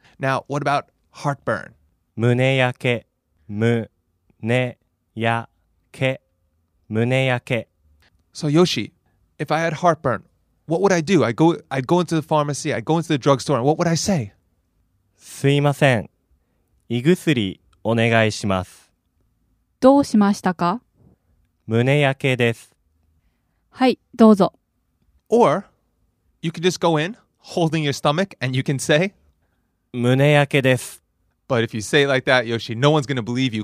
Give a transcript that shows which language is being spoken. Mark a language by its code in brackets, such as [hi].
[en] Now, what about heartburn? [ja] 胸焼け。胸焼け。胸焼け。 [en] So Yoshi, if I had heartburn, what would I do? I'd go into the pharmacy, I'd go into the drugstore, and what would I say? [ja] すいません。胃薬お願いします。どうしましたか? 胸焼けです。はい、どうぞ。 [en] Or, you can just go in, holding your stomach, and you can say, [ja] 胸焼けです。 [en] But if you say it like that, Yoshi, no one's going to believe you.